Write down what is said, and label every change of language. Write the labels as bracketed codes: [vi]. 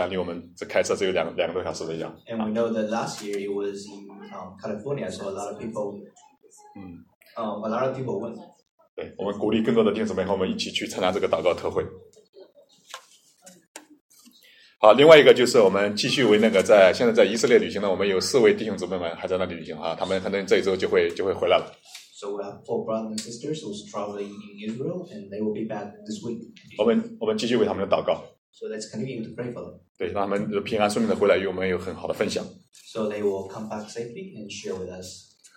[zh] 对，我们知道去年是那个艾华姆斯他们还有很多年轻人都一起到加州去，很远的地方。但今年很好，还在克利夫兰，离我们这开车只有两个多小时的样。 [en] And we know that last year it was in California, so a lot of people, a lot of people went. [zh] 对，我们鼓励更多的弟兄们和我们一起去参加这个祷告特会。好，另外一个就是我们继续为那个在现在在以色列旅行的，我们有4位弟兄姊妹们还在那里旅行哈，他们可能这一周就会回来了。 [en] So we have 4 brothers and sisters who are traveling in Israel, and they will be back this week. [zh] 我们继续为他们的祷告。 [en] So let's continue to pray for them. [zh] 对，让他们平安顺利的回来，与我们有很好的分享。 [en] So they will come back safely and share with us.